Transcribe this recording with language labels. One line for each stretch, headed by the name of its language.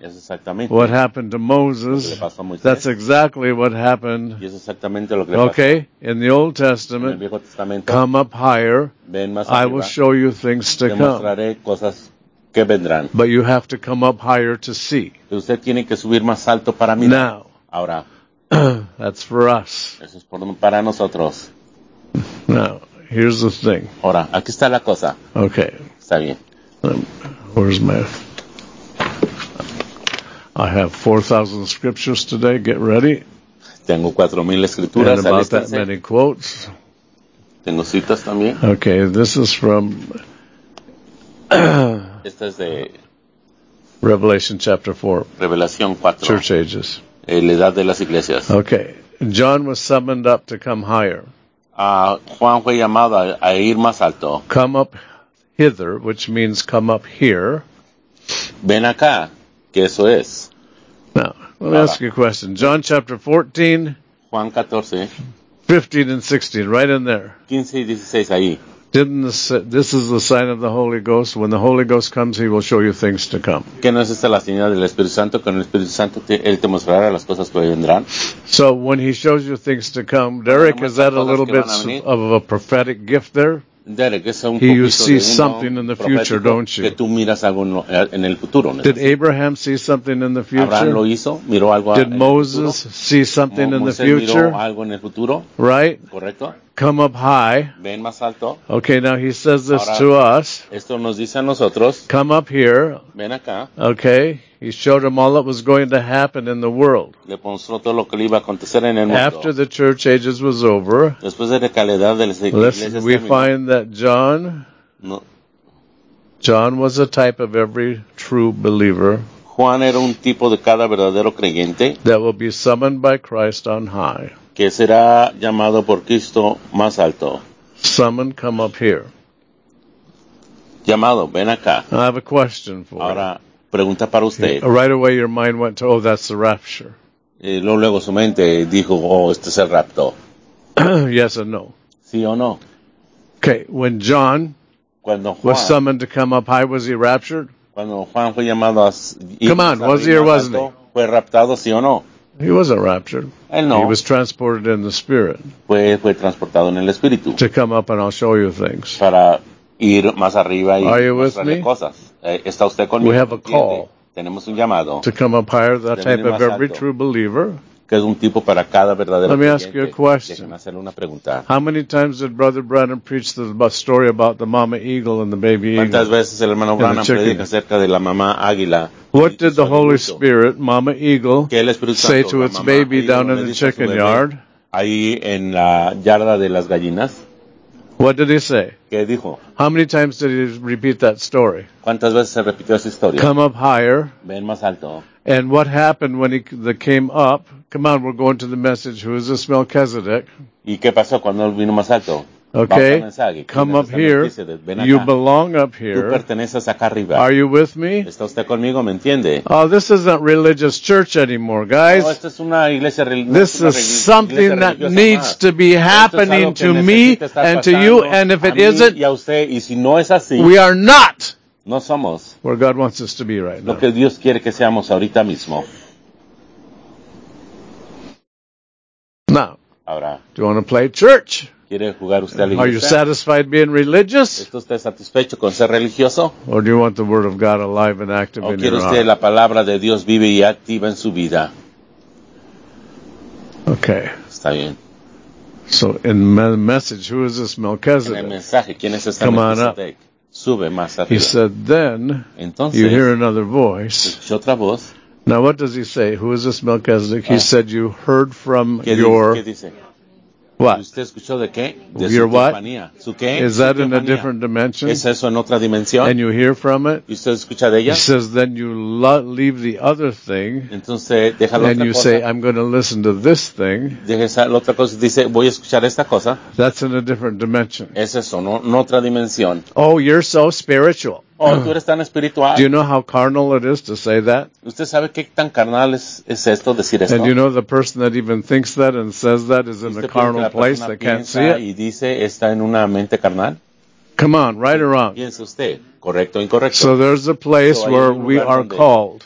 Spanish: es exactamente
English: what happened to Moses.
Spanish: Lo que le pasó a Moisés.
English: That's exactly what happened.
Spanish: Y es exactamente lo que
English: okay,
Spanish: le pasó.
English: In the Old Testament,
Spanish: en el Viejo Testamento,
English: come up higher.
Spanish: Ven más
English: I will show you things to
Spanish: te
English: come.
Spanish: Mostraré cosas que vendrán.
English: But you have to come up higher to see.
Spanish: Usted tiene que subir más alto para mirar.
English: Now,
Spanish: ahora.
English: That's for us.
Spanish: Eso es por, para nosotros.
English: Now, here's the thing.
Spanish: Ahora, aquí está la cosa.
English: Okay.
Spanish: Está bien.
English: Where's my... I have 4,000 scriptures today. Get ready.
Spanish: Tengo 4,000 escrituras.
English: And about that many quotes.
Spanish: Tengo citas también.
English: Okay, this is from...
Spanish: Esta es de...
English: Revelation chapter 4.
Spanish: Revelación 4.
English: Church ages.
Spanish: La edad de las iglesias.
English: Okay. John was summoned up to come higher.
Spanish: Juan fue llamado a ir más alto.
English: Come up hither, which means come up here.
Spanish: Ven acá, que eso es.
English: Now, let me
Spanish: ahora.
English: Ask you a question. John chapter 14.
Spanish: Juan 14.
English: 15 and 16, right in there.
Spanish: 15 y 16, ahí.
English: This is the sign of the Holy Ghost. When the Holy Ghost comes, he will show you things to come.
Spanish: ¿Qué no es esta la señal del Espíritu Santo? Con el Espíritu Santo él te mostrará las cosas que vendrán.
English: So when he shows you things to come, Derek, is that a little bit of a prophetic gift there?
Spanish: Derek, es un
English: you see something in the future, don't you?
Spanish: Que tú miras algo en el futuro, ¿no?
English: Did Abraham see something in the future?
Spanish: Abraham lo hizo, miró algo.
English: Did Moses see something in the future?
Spanish: Moses miró algo en el futuro.
English: Right?
Spanish: Correcto.
English: Come up high.
Spanish: Ven más alto.
English: Okay, now he says this
Spanish: ahora,
English: to us.
Spanish: Esto nos dice a nosotros.
English: Come up here.
Spanish: Ven acá.
English: Okay. He showed him all that was going to happen in the world.
Spanish: Le mostró todo lo que iba a acontecer en el mundo.
English: After the church ages was over,
Spanish: después de la calidad de las iglesias terminó,
English: we find that John was a type of every true believer.
Spanish: Juan era un tipo de cada verdadero creyente.
English: That will be summoned by Christ on high.
Spanish: Que será llamado por Cristo más alto.
English: Summon, come up here.
Spanish: Llamado, ven acá.
English: I have a question for you.
Spanish: Ahora, pregunta para usted.
English: Right away your mind went to, oh, that's the rapture.
Spanish: Luego su mente dijo, oh, este es el rapto.
English: Yes or no.
Spanish: Sí o no.
English: Okay, when John
Spanish: cuando Juan
English: was summoned to come up high, was he raptured?
Spanish: Cuando Juan fue llamado a
English: come on, was he or wasn't he?
Spanish: Fue raptado, sí o no.
English: He wasn't raptured.
Spanish: No.
English: He was transported in the spirit.
Spanish: Fue transportado en el espíritu.
English: To come up and I'll show you things.
Spanish: Para ir más arriba y
English: are you with me?
Spanish: Cosas. ¿Está usted conmigo?
English: We have a call.
Spanish: Tenemos un llamado.
English: To come up higher, that type of every true believer.
Spanish: Que es un tipo para cada verdadero
English: let me
Spanish: creyente.
English: Ask you a question.
Spanish: Déjeme hacerle una pregunta.
English: How many times did Brother Branham preach the story about the mama eagle and the baby eagle?
Spanish: ¿Cuántas veces el hermano Branham predica acerca de la mamá águila?
English: What did the Holy Spirit, Mama Eagle, say to its baby down in the chicken yard?
Spanish: Ahí en la yarda de las gallinas.
English: What did he say?
Spanish: ¿Qué dijo?
English: How many times did he repeat that story?
Spanish: ¿Cuántas veces se repitió esa historia?
English: Come up higher.
Spanish: Ven más alto.
English: And what happened when he came up? Come on, we're going to the message. Who is this Melchizedek?
Spanish: ¿Y qué pasó cuando él vino más alto?
English: Okay, come up here. You belong up here.
Spanish: Tú perteneces acá arriba.
English: Are you with me?
Spanish: ¿Está usted conmigo? ¿Me entiende?
English: Oh, this isn't religious church anymore, guys.
Spanish: No, esta es una iglesia,
English: this is something that needs to be happening
Spanish: esto es
English: to me and to you, and if it isn't,
Spanish: y a usted, y si no es así,
English: we are not
Spanish: no somos
English: where God wants us to be right
Spanish: lo
English: now.
Spanish: Que Dios quiere que seamos ahorita mismo.
English: Now,
Spanish: ahora,
English: do you want to play church?
Spanish: Jugar usted a la
English: are you satisfied being religious?
Spanish: ¿Está usted satisfecho con ser religioso?
English: Or do you want the word of God alive and active in your heart?
Spanish: ¿O quiere usted la palabra de Dios vive y activa en su vida?
English: Okay.
Spanish: Está bien.
English: So in the message, who is this Melchizedek?
Spanish: En el mensaje, ¿quién es este Melchizedek? Sube más arriba.
English: He said, then
Spanish: entonces,
English: you hear another voice.
Spanish: Escuché otra voz.
English: Now what does he say? Who is this Melchizedek? He said you heard from
Spanish: ¿qué
English: your
Spanish: dice? ¿Qué dice?
English: What?
Spanish: ¿Usted escuchó de qué? De
English: your
Spanish: su
English: what?
Spanish: ¿Su qué?
English: Is that
Spanish: su
English: in
Spanish: teofanía?
English: A different dimension?
Spanish: ¿Es eso en otra dimensión?
English: And you hear from it?
Spanish: ¿Y usted escucha de ella?
English: He says, then you leave the other thing.
Spanish: Entonces, deja la
English: and
Spanish: otra
English: you
Spanish: cosa.
English: Say, I'm going to listen to this thing.
Spanish: Deja la otra cosa. Dice, voy a escuchar esta cosa.
English: That's in a different dimension.
Spanish: ¿Es eso en otra dimensión?
English: Oh, you're so spiritual.
Spanish: Oh, tú eres tan espiritual.
English: Do you know how carnal it is to say that?
Spanish: ¿Usted sabe qué tan carnal es esto decir esto?
English: And you know the person that even thinks that and says that is in a carnal place that can't see it.
Spanish: ¿Y dice está en una mente carnal?
English: Come on, right or wrong.
Spanish: ¿Piensa usted? Correcto o incorrecto.
English: So there's a place where we are called.